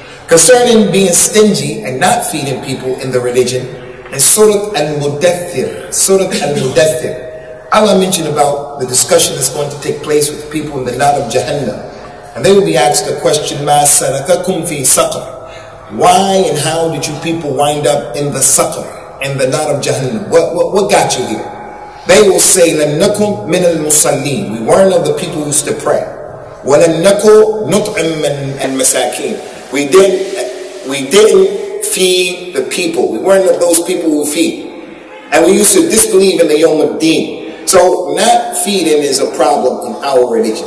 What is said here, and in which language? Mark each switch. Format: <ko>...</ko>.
<en>Concerning being stingy and not feeding people in the religion, and surat al-mudathir, surat al-mudathir. Allah mentioned about the discussion that's going to take place with people in the Nar of Jahannam. And they will be asked the question,</en> <ar>مَا سَلَكَكُمْ فِي سَقَرْ.</ar> <en>Why and how did you people wind up in the Saqr, in the Nar of Jahannam? What got you here? They will say,</en> <ar>لَمْ نَكُمْ مِنَ الْمُصَلِّينَ.</ar> <en>We weren't of the people who used to pray.</en> <ar>وَلَمْ نَكُمْ نُطْعِمْ مِنَ الْمَسَاكِينَ.</ar> <en>We didn't feed the people. We weren't of those people who feed. And we used to disbelieve in the Yawm al-Din. So not feeding is a problem in our religion.</en>